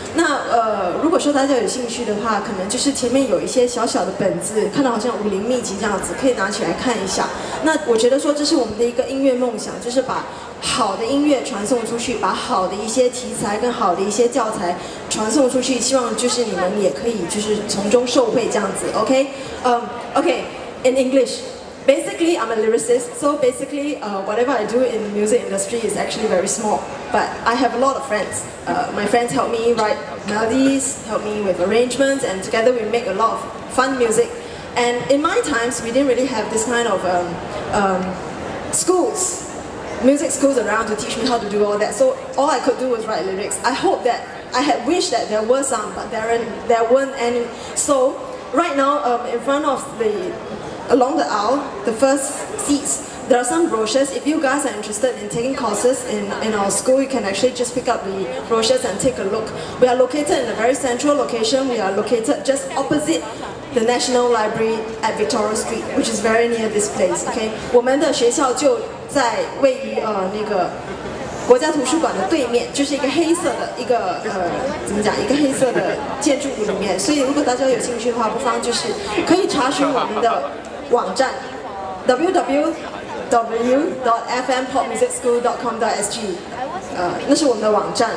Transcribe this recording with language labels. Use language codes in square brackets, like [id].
[zh] 那如果说大家有兴趣的话，可能就是前面有一些小小的本子，看到好像武林秘籍这样子，可以拿起来看一下。那我觉得说这是我们的一个音乐梦想，就是把好的音乐传送出去，把好的一些题材跟好的一些教材传送出去，希望就是你们也可以就是从中受惠这样子。 [en] OK OK in EnglishBasically, I'm a lyricist, so basically, whatever I do in the music industry is actually very small. But I have a lot of friends. My friends help me write melodies, help me with arrangements, and together we make a lot of fun music. And in my times, we didn't really have this kind of schools, music schools around to teach me how to do all that. So all I could do was write lyrics. I hope that, I had wished that there were some, but there weren't any. So right now, in front of the... along the aisle, the first seats, there are some brochures. If you guys are interested in taking courses in our school, you can actually just pick up the brochures and take a look. We are located in a very central location. We are located just opposite the National Library at Victoria Street, which is very near this place, okay? [zh] 我们的学校就在位于那个国家图书馆的对面，就是一个黑色的一个怎么讲，一个黑色的建筑物里面。所以如果大家有兴趣的话，不妨就是可以查询我们的网站 www.fmpopmusicschool.com.sg， 那是我们的网站。